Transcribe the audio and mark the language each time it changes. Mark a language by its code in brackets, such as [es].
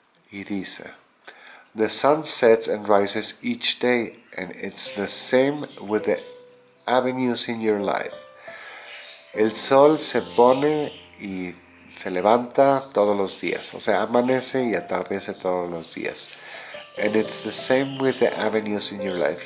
[es] Y dice, [en] the sun sets and rises each day, and it's the same with the avenues in your life. [es] El sol se pone y se levanta todos los días, o sea, amanece y atardece todos los días. [en] And it's the same with the avenues in your life.